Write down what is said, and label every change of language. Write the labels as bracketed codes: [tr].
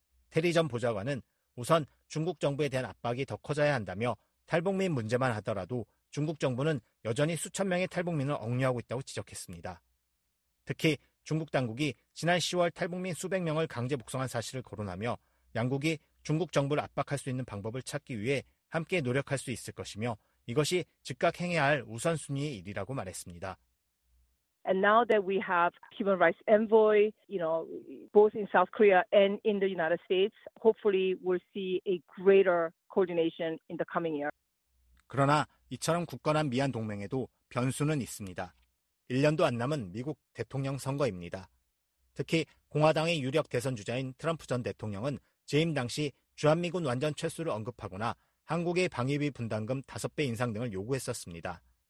[ko] 테리 전 보좌관은 우선 중국 정부에 대한 압박이 더 커져야 한다며 탈북민 문제만 하더라도 중국 정부는 여전히 수천 명의 탈북민을 억류하고 있다고 지적했습니다. 특히 중국 당국이 지난 10월 탈북민 수백 명을 강제 복송한 사실을 거론하며 양국이 중국 정부를 압박할 수 있는 방법을 찾기 위해 함께 노력할 수 있을 것이며 이것이 즉각 행해야 할 우선순위의 일이라고 말했습니다. [en] And now that we have human rights envoy, you know, both in South Korea and in the United States, hopefully we'll see a greater coordination in the coming year. [ko] 그러나 이처럼 굳건한 미한 동맹에도 변수는 있습니다. 1년도 안 남은 미국 대통령 선거입니다. 특히 공화당의 유력 대선 주자인 트럼프 전 대통령은 재임 당시 주한미군 완전 철수를 언급하거나 한국의 방위비 분담금 5배 인상 등을 요구했었습니다.